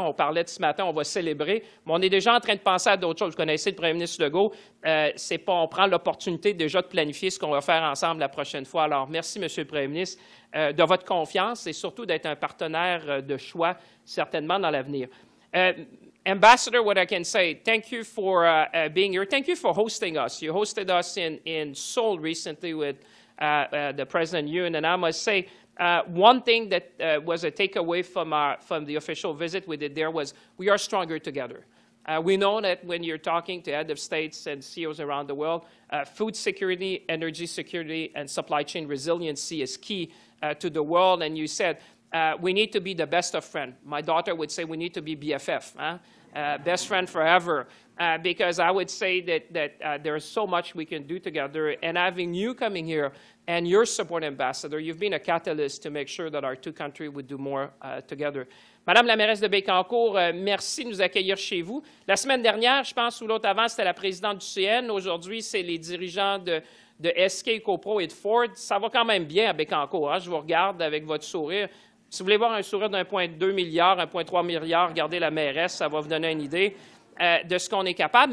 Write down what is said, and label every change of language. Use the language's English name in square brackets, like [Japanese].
[French] On parlait de ce matin, on va célébrer, mais on est déjà en train de penser à d'autres choses. Vous connaissez le premier ministre Legault, c'est pas, on prend l'opportunité déjà de planifier ce qu'on va faire ensemble la prochaine fois. Alors, merci, M. le premier ministre, de votre confiance et surtout d'être un partenaire de choix, certainement, dans l'avenir. [English] Ambassador, what I can say, thank you for being here. Thank you for hosting us. You hosted us in Seoul recently with the President Yoon, and I must say one thing that was a takeaway from the official visit we did there was we are stronger together. We know that when you're talking to heads of states and CEOs around the world, food security, energy security, and supply chain resiliency is key to the world. And you said, we need to be the best of friends. My daughter would say we need to be BFF, huh? Best friend forever. Because I would say that there is so much we can do together. And having you coming here and your support, Ambassador, you've been a catalyst to make sure that our two countries would do more together. [French] Madame la mairesse de Bécancour, merci de nous accueillir chez vous. La semaine dernière, je pense, ou l'autre avant, c'était la présidente du CN. Aujourd'hui, c'est les dirigeants de SK, CoPro et de Ford. Ça va quand même bien à Bécancour. Hein? Je vous regarde avec votre sourire. Si vous voulez voir un sourire d'1,2 milliard, 1,3 milliard, regardez la mairesse, ça va vous donner une idée de ce qu'on est capable.